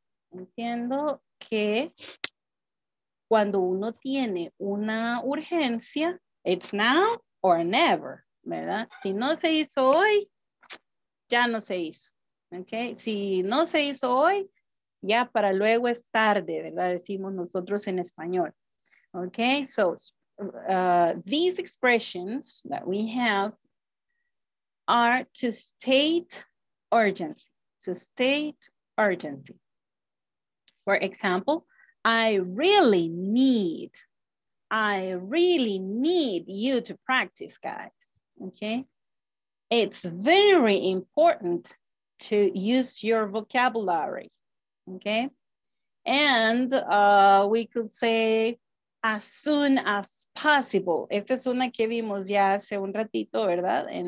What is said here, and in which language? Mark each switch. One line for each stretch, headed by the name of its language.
Spanish: Entiendo que cuando uno tiene una urgencia,
English: it's now or never,
Spanish: ¿verdad? Si no se hizo hoy, ya no se hizo, ¿ok? Si no se hizo hoy, ya para luego es tarde, ¿verdad? Decimos nosotros en español, ¿ok?
English: So, these expressions that we have are to state urgency, to state urgency. For example, I really need you to practice, guys, okay? It's very important to use your vocabulary, okay? And we could say, as soon as possible.
Spanish: Esta es una que vimos ya hace un ratito, ¿verdad?